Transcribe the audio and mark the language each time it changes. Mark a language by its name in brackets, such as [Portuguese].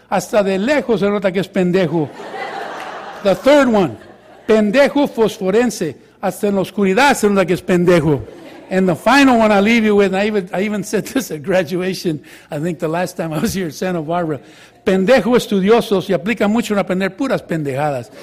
[Spanish] Hasta de lejos se nota que es pendejo. [English] The third one, [Spanish] pendejo fosforense. Hasta en la oscuridad se nota que es pendejo. [English] And the final one I leave you with, and I even said this at graduation, I think the last time I was here in Santa Barbara. [Spanish] Pendejo estudioso se aplica mucho en aprender puras pendejadas.